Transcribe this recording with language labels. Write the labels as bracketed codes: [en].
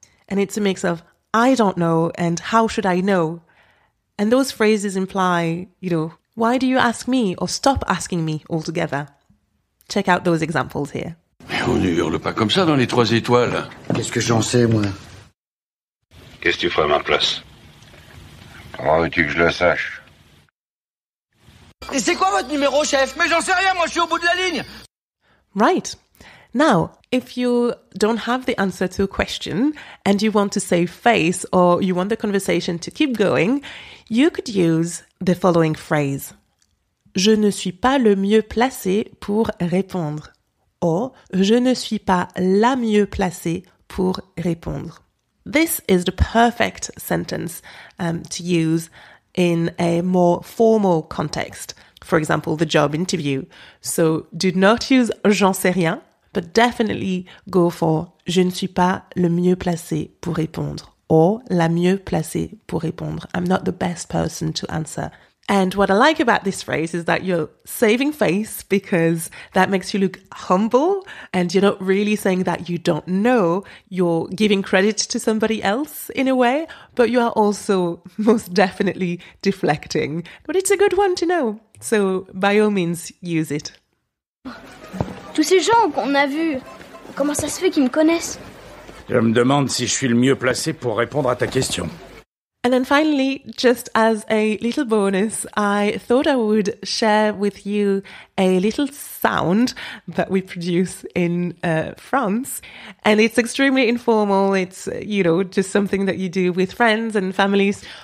[en] And it's a mix of I don't know and how should I know? And those phrases imply, you know, why do you ask me or stop asking me altogether? Check out those examples here. [fr] Mais on ne hurle pas comme ça dans les trois étoiles. Qu'est-ce que j'en sais, moi? Qu'est-ce que tu ferais à ma place? Comment veux-tu que je le sache? Et c'est quoi votre numéro, chef? Mais j'en sais rien, moi, je suis au bout de la ligne. [en] Right. Now, if you don't have the answer to a question and you want to save face or you want the conversation to keep going, you could use the following phrase. [fr] Je ne suis pas le mieux placé pour répondre. Or, je ne suis pas la mieux placée pour répondre. [en] This is the perfect sentence to use in a more formal context. For example, the job interview. So do not use [fr] j'en sais rien. [en] But definitely go for « [fr] je ne suis pas le mieux placé pour répondre [en] » or « [fr] la mieux placée pour répondre ». [en] I'm not the best person to answer. And what I like about this phrase is that you're saving face because that makes you look humble and you're not really saying that you don't know. You're giving credit to somebody else in a way, but you are also most definitely deflecting. But it's a good one to know. So by all means, use it. [fr] Tous ces gens qu'on a vus, comment ça se fait qu'ils me connaissent? Je me demande si je suis le mieux placé pour répondre à ta question. [en] And then finally, just as a little bonus, I thought I would share with you a little sound that we produce in France. And it's extremely informal. It's, you know, just something that you do with friends and families.